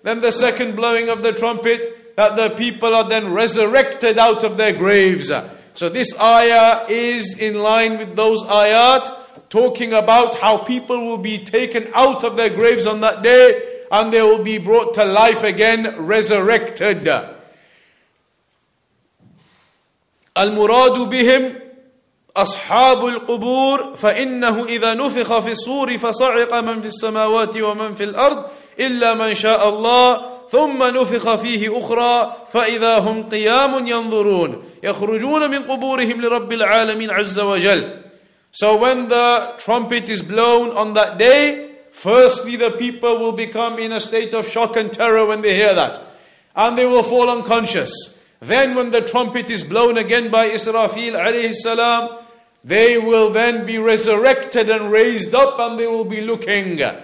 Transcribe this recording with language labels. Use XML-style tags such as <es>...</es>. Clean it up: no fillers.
<en>Then the second blowing of the trumpet, that the people are then resurrected out of their graves. So this ayah is in line with those ayat, talking about how people will be taken out of their graves on that day, and they will be brought to life again, resurrected.</en> <ar>Al-Muradu bihim, أصحاب القبور فإنه إذا نفخ في الصور فصعق من في السماوات ومن في الأرض إلا من شاء الله ثم نفخ فيه أخرى فإذا هم قيام ينظرون يخرجون من قبورهم لرب العالمين عز وجل.</ar> <en>So when the trumpet is blown on that day, firstly the people will become in a state of shock and terror when they hear that, and they will fall unconscious. Then when the trumpet is blown again by Israfil alayhi salam, they will then be resurrected and raised up, and they will be looking.</en>